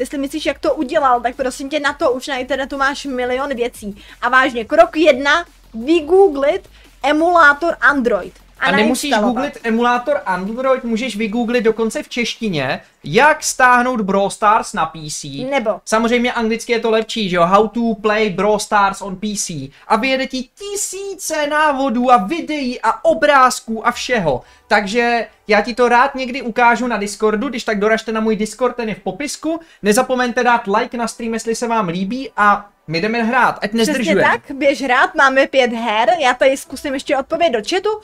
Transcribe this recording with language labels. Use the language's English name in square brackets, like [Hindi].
[Czech] Jestli myslíš, jak to udělal, tak prosím tě, na to už na internetu máš milion věcí. A vážně, krok 1. Vygooglit emulátor Android. A nemusíš googlit emulátor Android, můžeš vygooglit dokonce v češtině. Jak stáhnout Brawl Stars na PC? Nebo. Samozřejmě anglicky je to lepší, že jo? [English] How to play Brawl Stars on PC. [Czech] A vyjede ti tisíce návodů a videí a obrázků a všeho. Takže já ti to rád někdy ukážu na Discordu, když tak doražte na můj Discord, ten je v popisku. Nezapomeňte dát like na stream, jestli se vám líbí a my jdeme hrát, ať nezdržujeme. Přesně tak, běž hrát, máme 5 her, já tady zkusím ještě odpověď do chatu.